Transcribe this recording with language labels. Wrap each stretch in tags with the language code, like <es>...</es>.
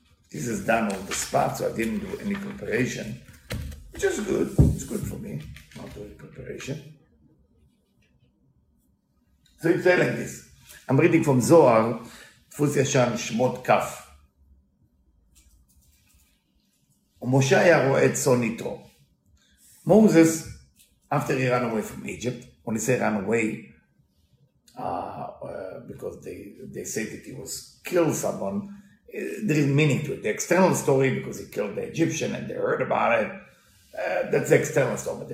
<en>This is done on the spot, so I didn't do any preparation, which is good. It's good for me, not doing preparation. So it's telling this. I'm reading from Zohar, Tfus Yashan Shmot Kaf.</en> <he>Moshe היה רואה את צאן יתרו.</he> <en>Moses, after he ran away from Egypt, when he said run away, because they said that he was killed someone, there is meaning to it. The external story, because he killed the Egyptian and they heard about it, that's the external story.</en>